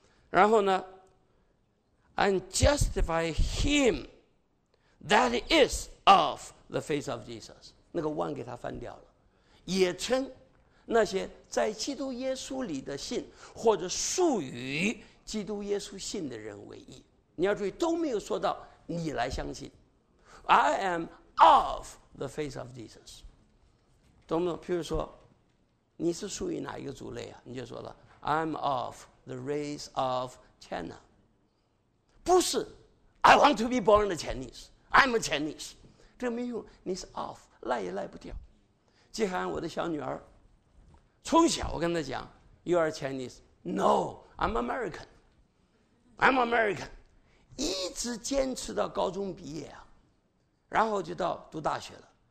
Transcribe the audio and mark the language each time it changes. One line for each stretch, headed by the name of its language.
Chinese: 然后呢
English: ，and justify him that is of the faith of Jesus，
Chinese: 那个
English: one
Chinese: 给他翻掉了，也称。那些在基督耶稣里的信或者属于基督耶稣信的人为义，你要注意都没有说到你来相信
English: I am of the face of Jesus. 懂不懂？
Chinese: 譬如说，你是属于哪一个族类啊？你就说了
English: ，I'm of the race of China.
Chinese: 不是
English: ，I want to be born a Chinese. I'm a Chinese.
Chinese: 这没用，你是 of， 赖也赖不掉。季涵，我的小女儿，从小我跟她讲 ，
English: You are Chinese. No, I'm American. I'm American.
Chinese: 一直坚持到高中毕业啊，然后就到读大学了。